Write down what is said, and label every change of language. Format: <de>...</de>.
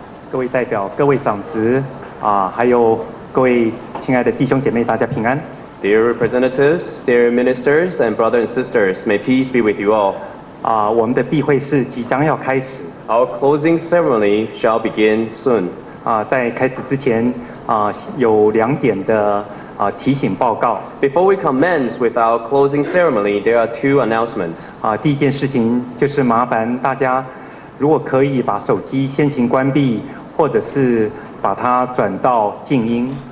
<zh>各位代表、各位长职啊，还有各位亲爱的弟兄姐妹，大家平安。</zh> <en>Dear representatives, dear ministers, and brothers and sisters, may peace be with you all.</en> <zh>啊，我们的闭会是即将要开始。</zh> <en>Our closing ceremony shall begin soon.</en> <zh>啊，在开始之前啊，有两点的啊提醒报告。</zh> <en>Before we commence with our closing ceremony, there are two announcements.</en> <zh>啊，第一件事情就是麻烦大家，如果可以把手机先行关闭，或者是把它转到静音。</zh>